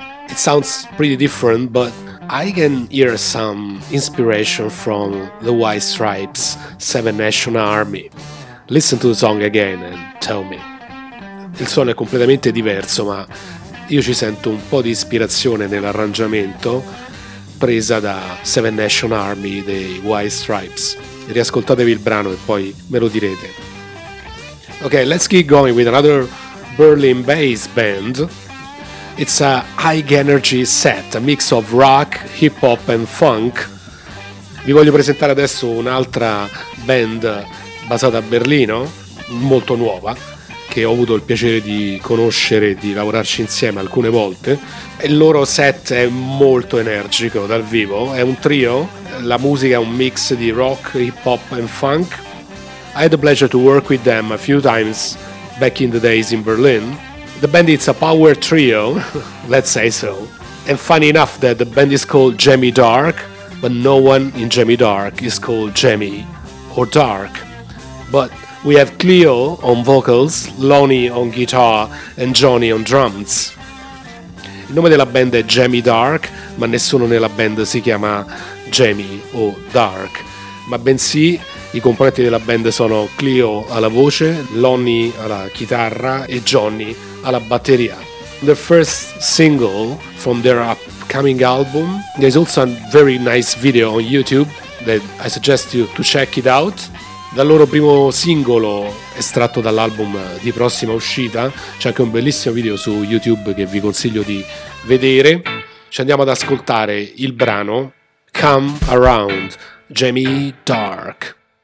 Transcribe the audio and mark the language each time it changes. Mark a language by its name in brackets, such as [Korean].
[English] It sounds pretty different, but I can hear some inspiration from the White Stripes' Seven Nation Army. Listen to the song again and tell me. [Italian] Il suono è completamente diverso, ma io ci sento un po' di ispirazione nell'arrangiamento presa da Seven Nation Army dei White Stripes. Riascoltatevi il brano e poi me lo direte. [English] Ok, let's keep going with another Berlin bass band. It's a high energy set, a mix of rock, hip hop and funk. [Italian] Vi voglio presentare adesso un'altra band basata a Berlino, molto nuova, che ho avuto il piacere di conoscere e di lavorarci insieme alcune volte. Il loro set è molto energico dal vivo, è un trio, la musica è un mix di rock, hip hop and funk. [English] I had the pleasure to work with them a few times back in the days in Berlin. The band is a power trio, let's say so. And funny enough that the band is called Jammy Dark, but no one in Jammy Dark is called Jammy or Dark. But we have Cleo on vocals, Lonnie on guitar and Johnny on drums. [Italian] Il nome della band è Jammy Dark, ma nessuno nella band si chiama Jammy o Dark, ma bensì i componenti della band sono Cleo alla voce, Lonnie alla chitarra e Johnny alla batteria. [English] The first single from their upcoming album, there's also a very nice video on YouTube that I suggest you to check it out. [Italian] Dal loro primo singolo estratto dall'album di prossima uscita c'è anche un bellissimo video su YouTube che vi consiglio di vedere. Ci andiamo ad ascoltare il brano Come Around, Jammy Dark.